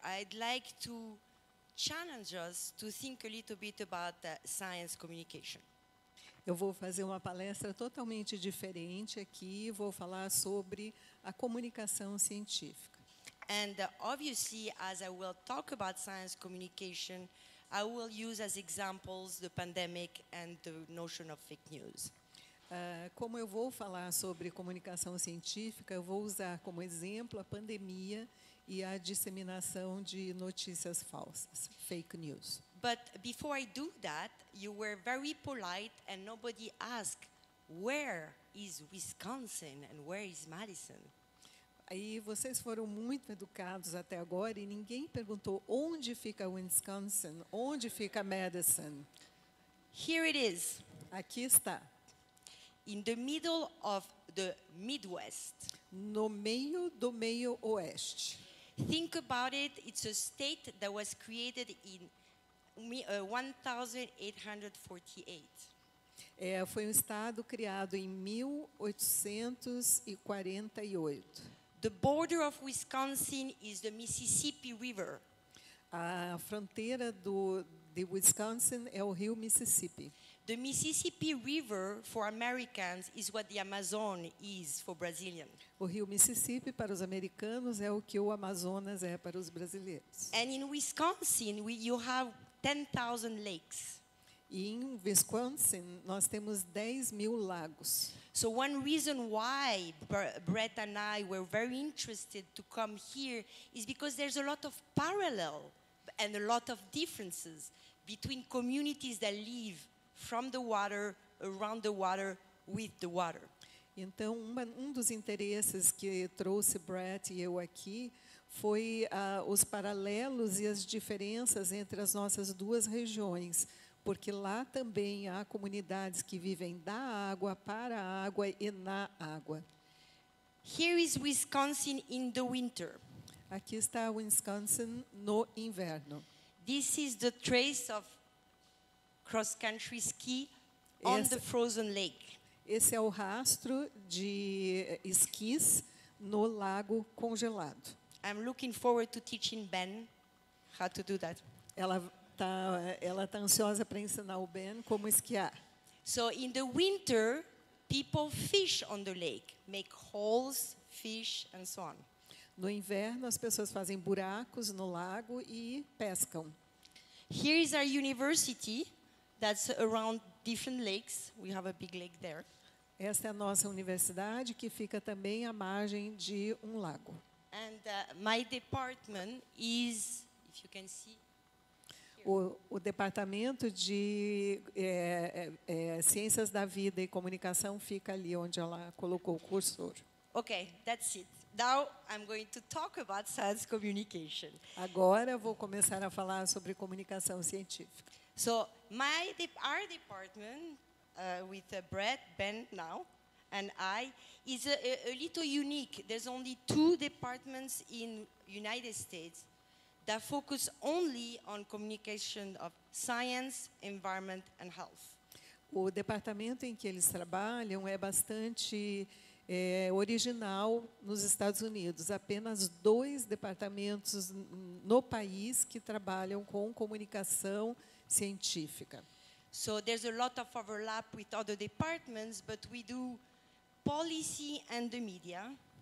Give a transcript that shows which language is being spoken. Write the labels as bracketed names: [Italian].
[English] I'd like to challenge us to think a little bit about science communication. [Portuguese] Eu vou fazer uma palestra totalmente diferente aqui, vou falar sobre a comunicação científica. [English] And obviously, as I will talk about science communication, I will use as examples the pandemic and the notion of fake news. [Portuguese] Como eu vou falar sobre comunicação científica, eu vou usar como exemplo a pandemia e a disseminação de notícias falsas, fake news. [English] But before I do that, you were very polite and nobody asked where is Wisconsin and where is Madison? [Portuguese] E vocês foram muito educados até agora e ninguém perguntou onde fica Wisconsin, onde fica Madison. [English] Here it is. [Portuguese] Aqui está. [English] In the middle of the Midwest. [Portuguese] No meio do meio oeste. [English] Think about it, it's a state that was created in 1848. [Portuguese] É, foi um estado criado em 1848. [English] The border of Wisconsin is the Mississippi River. [Portuguese] A fronteira de Wisconsin é o rio Mississippi. [English] The Mississippi River for Americans is what the Amazon is for Brazilians. [Portuguese] O rio Mississippi para os americanos é o que o Amazonas é para os brasileiros. [English] And in Wisconsin, you have 10,000 lakes. [Portuguese] E em Wisconsin, nós temos 10 mil lagos. [English] So one reason why Brett and I were very interested to come here is because there's a lot of parallel and a lot of differences between communities that live from the water, around the water, with the water. [Portuguese] Então, um dos interesses que trouxe Brett e eu aqui foi os paralelos e as diferenças entre as nossas duas regiões, porque lá também há comunidades que vivem da água, para a água e na água. [English] Here is Wisconsin in the winter. [Portuguese] Aqui está Wisconsin no inverno. [English] This is the trace of cross-country ski on the frozen lake. [Portuguese] Esse é o rastro de esquis no lago congelado. [English] I'm looking forward to teaching Ben how to do that. [Portuguese] Ela tá ansiosa para ensinar o Ben como esquiar. [English] So in the winter, people fish on the lake, make holes, fish and so on. [Portuguese] No inverno, as pessoas fazem buracos no lago e pescam. [English] Here is our university. That's around different lakes. We have a big lake there. [Portuguese] Esta é a nossa universidade que fica também à margem de um lago. [English] And my department is, if you can see, [Portuguese] o departamento de ciências da vida e comunicação fica ali onde ela colocou o cursor. [English] Okay, that's it. Now I'm going to talk about science communication. [Portuguese] Agora vou começar a falar sobre comunicação científica. [English] So my our department with Brett, Ben now, and I is a little unique. There's only two departments in United States that focus only on communication of science, environment, and health. [Portuguese] O departamento em que eles trabalham é bastante original nos Estados Unidos. Apenas dois departamentos no país que trabalham com comunicação científica. [English] So there's a lot of overlap with other departments, but we do policy and the media.